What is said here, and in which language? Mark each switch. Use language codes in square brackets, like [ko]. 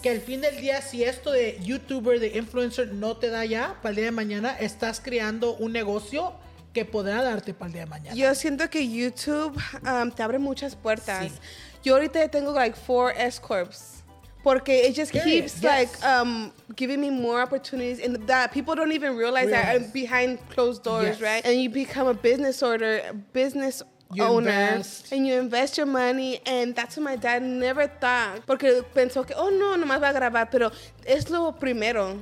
[es] Que al fin del día, si esto de YouTuber, de influencer, no te da ya, para el día de mañana, estás creando un negocio que podrá darte para el día de mañana. Yo siento que YouTube te abre muchas puertas. Sí. Yo ahorita tengo, like, 4 S-Corps. [en] Porque it just keeps giving me more opportunities, and that people don't even realize that I'm behind closed doors, right? And you become a business owner, and you invest your money, and that's what my dad never thought. [es] Porque pensó que, oh no, nomás va a grabar, pero es lo primero.